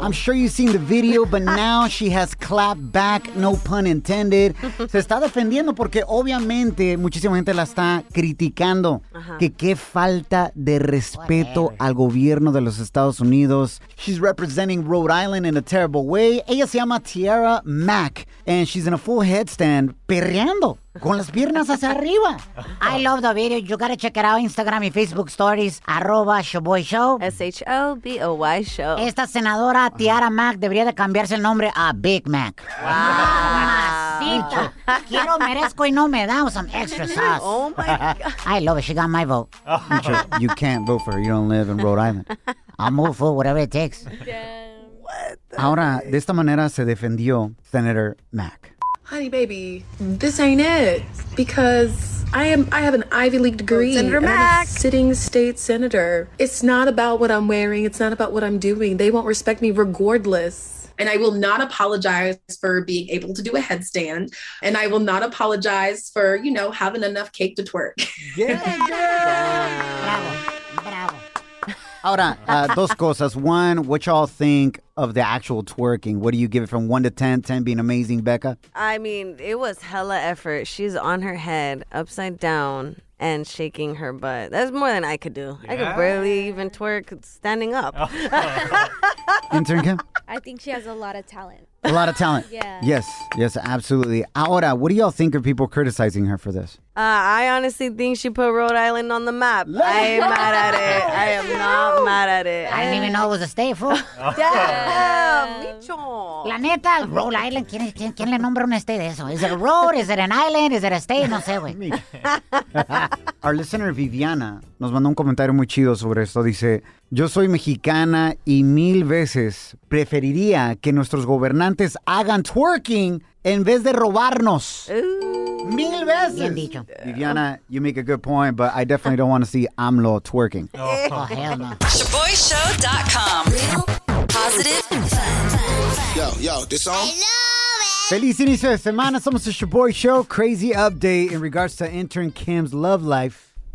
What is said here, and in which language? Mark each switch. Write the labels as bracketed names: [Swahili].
[English] I'm sure you've seen the video, but now she has clapped back, no pun intended. [Spanish] Se está defendiendo porque obviamente muchísima gente la está criticando. Que qué falta de respeto al gobierno de los Estados Unidos. [English] She's representing Rhode Island in a terrible way. [Spanish] Ella se llama [English] Tierra Mack, and she's in a full headstand perreando. [Spanish] Con las piernas hacia arriba. [English] I love the video. You gotta check it out. Instagram y Facebook stories. @ Shaboy Show. Shaboy Show. [Spanish] Esta senadora, Tiara Mack, debería de cambiarse el nombre a Big Mac. [English] Wow. Wow. [Spanish] Quiero, merezco y no me da [English] some extra sauce. Oh my God. I love it. She got my vote. Micho, you can't vote for her. You don't live in Rhode Island. I'll move for whatever it takes. Yeah. What? [Spanish] Ahora, de esta manera se defendió Senator Mack. [English] Honey, baby, this ain't it, because I have an Ivy League degree. Senator Mack. I'm a sitting state senator. It's not about what I'm wearing. It's not about what I'm doing. They won't respect me regardless. And I will not apologize for being able to do a headstand. And I will not apologize for, you know, having enough cake to twerk. Yeah, yeah. Bravo. Bravo. [Spanish] Ahora, dos cosas. [English] One, what y'all think of the actual twerking? What do you give it from 1 to 10? 10 being amazing, Becca? I mean, it was hella effort. She's on her head, upside down, and shaking her butt. That's more than I could do. Yeah. I could barely even twerk standing up. Intern Kim? I think she has a lot of talent. A lot of talent. Yeah. Yes. Yes, absolutely. Ahora, what do y'all think of people criticizing her for this? I honestly think she put Rhode Island on the map. Let's I ain't go! Mad at it. I am not mad at it. I didn't even know it was a state, fool. Damn. Micho. [Spanish] La neta, Rhode Island, ¿quién le nombra un estate de eso? [English] Is it a road? Is it an island? Is it a state? [Spanish] No sé, güey. [English] Our listener, [Spanish] Viviana, nos mandó un comentario muy chido sobre esto. Dice, yo soy mexicana y mil veces preferiría que nuestros gobernantes hagan twerking en vez de robarnos. Mil veces. Bien dicho. [English] Viviana, you make a good point, but I definitely don't want to see AMLO twerking. Oh, hell no. ShaboyShow.com. Real, positive, fun. Yo, this song. I love it. [Spanish] Feliz inicio de semana. Somos [English] the Shaboy Show. Crazy update in regards to intern Kim's love life.